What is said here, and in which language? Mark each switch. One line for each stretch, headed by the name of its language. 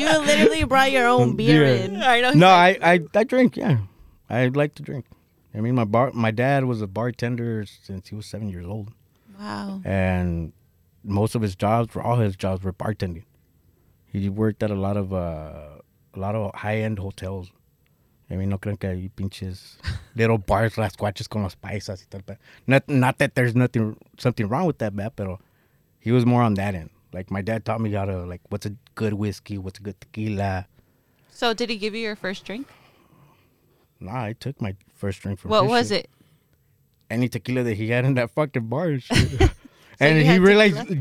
English: You literally brought your own beer in. I know. No, I drink, yeah. I like to drink. I mean, my dad was a bartender since he was 7 years old. Wow. And most of his jobs, all his jobs were bartending. He worked at a lot of high-end hotels. I mean,
Spanish: no creen que hay pinches
English: little bars,
Spanish: las cuaches con las paisas y tal.
English: Not that there's something wrong with that, man,
Spanish: pero
English: he was more on that end. Like, my dad taught me how to, like, what's a good whiskey, what's a good tequila. So, did he give you your first drink? Nah, I took my first drink from his shit. What was it? Any tequila that he had in that fucking bar and shit. So and he realized tequila?